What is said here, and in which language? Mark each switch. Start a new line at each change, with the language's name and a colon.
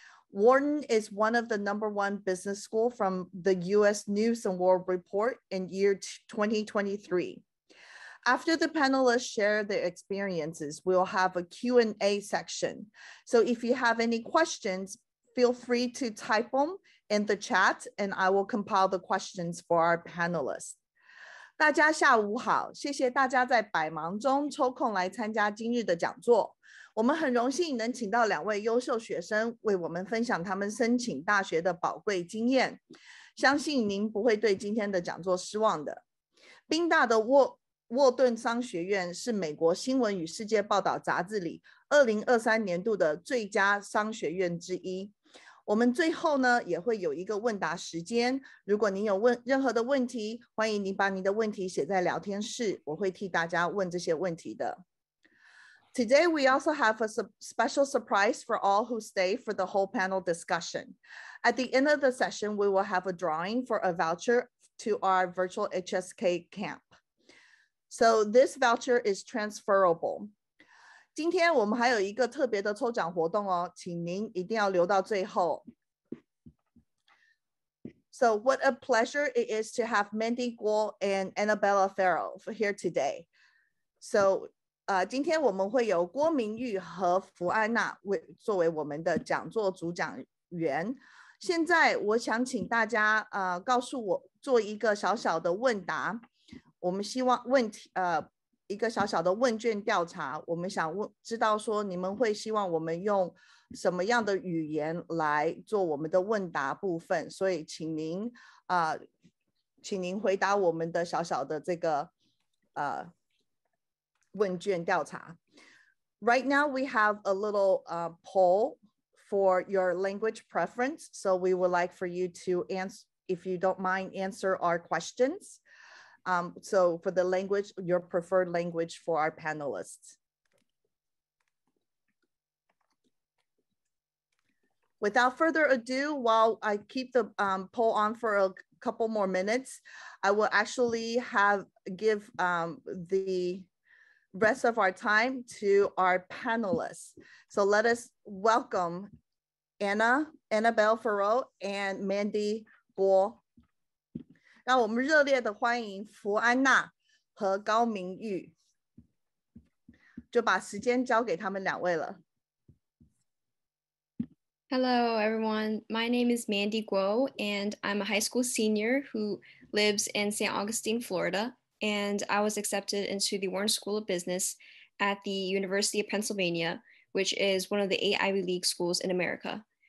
English: Wharton is one of the number one business school from the US News and World Report in year 2023. After the panelists share their experiences, we'll have a Q&A section. So if you have any questions, feel free to type them in the chat and I will compile the questions for our panelists.
Chinese: 大家下午好，谢谢大家在百忙中抽空来参加今日的讲座。我们很荣幸能请到两位优秀学生为我们分享他们申请大学的宝贵经验。相信您不会对今天的讲座失望的。宾大的沃顿商学院是美国新闻与世界报道杂志里2023年度的最佳商学院之一。我们最后呢也会有一个问答时间，如果您有任何的问题，欢迎您把您的问题写在聊天室，我会替大家问这些问题的。
English: Today we also have a special surprise for all who stay for the whole panel discussion. At the end of the session, we will have a drawing for a voucher to our virtual HSK camp. So this voucher is transferable.
Chinese: 今天我们还有一个特别的抽奖活动哦，请您一定要留到最后。
English: So what a pleasure it is to have Mandy Guo and Annabelle Farrell here today.
Chinese: So 今天我们会有郭明玉和福安娜作为我们的讲座主讲员。现在我想请大家告诉我做一个小小的问答。我们希望问题一个小小的问卷调查，我们想问知道说你们会希望我们用什么样的语言来做我们的问答部分，所以请您请您回答我们的小小的这个问卷调查。
English: Right now we have a little poll for your language preference, so we would like for you to answer, if you don't mind, answer our questionsSo for the language, your preferred language for our panelists. Without further ado, while I keep the poll on for a couple more minutes, I will actually give the rest of our time to our panelists. So let us welcome Annabelle Farrell and Mandy Guo.
Chinese: 让我们热烈的欢迎福安娜和高明玉，就把时间交给他们两位了。
English: Hello, everyone. My name is Mandy Guo, and I'm a high school senior who lives in St. Augustine, Florida. And I was accepted into the Wharton School of Business at the University of Pennsylvania, which is one of the 8 Ivy League schools in America.